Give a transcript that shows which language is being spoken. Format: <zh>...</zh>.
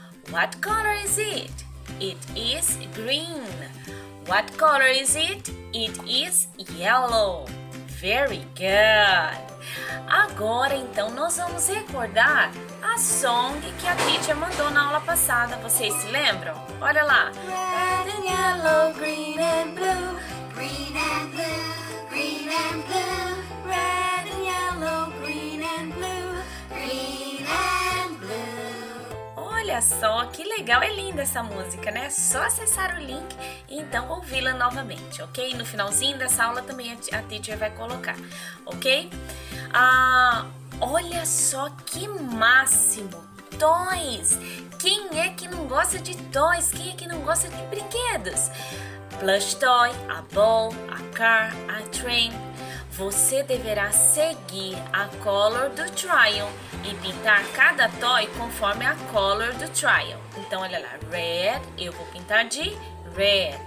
<en>What color is it? It is green. What color is it? It is yellow. Very good!</en> <pt>Agora, então, nós vamos recordar a song que a teacher mandou na aula passada. Vocês se lembram? Olha lá!</pt> <en>Red and yellow, green and blue, green and blue, green and blue. Red and yellow, green and blue, green and blue.</en> <pt>Olha só que legal! É linda essa música, né? É só acessar o link e então ouvi-la novamente, ok? No finalzinho dessa aula também a teacher vai colocar, ok? Ah, olha só que máximo! Toys! Quem é que não gosta de toys? Quem é que não gosta de brinquedos?</pt> <en>Plush toy, a ball, a car, a train.</en> <pt>Você deverá seguir a color do trial e pintar cada toy conforme a color do trial. Então, olha lá, red, eu vou pintar de red.</pt>